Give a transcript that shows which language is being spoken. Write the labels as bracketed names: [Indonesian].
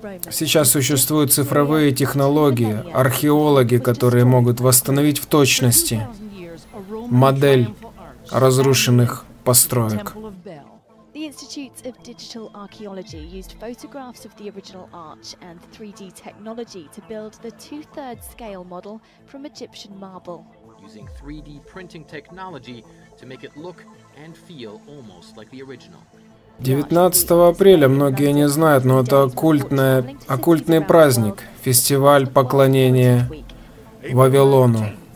[Russian] Сейчас существуют цифровые технологии, археологи, которые могут восстановить в точности модель разрушенных построек. [English] The Institute of Digital Archaeology used photographs of the original arch and 3D technology to build the 2/3 scale model from Egyptian marble. Using 3D printing technology to make it look and feel almost like the original. [Russian] 19 апреля многие не знают, но это оккультный праздник, фестиваль поклонения Вавилону.